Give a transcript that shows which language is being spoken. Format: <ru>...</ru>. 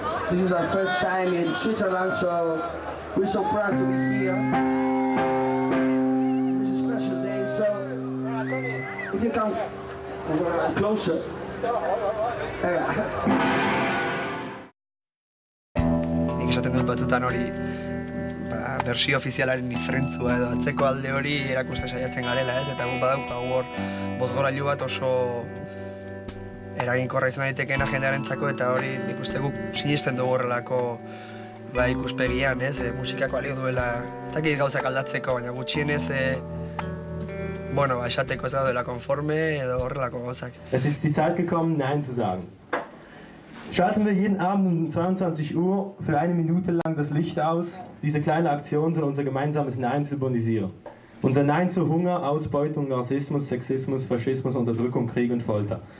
<en>This is our first time in Switzerland, so we're so proud to be here. It's a special day, so if you come closer.</en> <eu>Nik esaten dut batzutan hori ba, bersio ofizialaren ifrentzua edo atzeko alde hori erakusten saiatzen garela, ez? Eta guk badaukagu hor bozgorailu bat oso eraginkorra izan daitekeena jendearentzako eta hori nik uste guk sinisten dugu horrelako ba, ikuspegian, ez, musikako alio duela ez dakit gauzak aldatzeko, baina gutxienez bueno, ba, esateko ez da duela konforme edo horrelako gauzak.</eu> <de>Es ist die Zeit gekommen, nein zu sagen. Schalten wir jeden Abend um 22 Uhr für eine Minute lang das Licht aus. Diese kleine Aktion soll unser gemeinsames Nein symbolisieren. Unser Nein zu Hunger, Ausbeutung, Rassismus, Sexismus, Faschismus, Unterdrückung, Krieg und Folter.</de>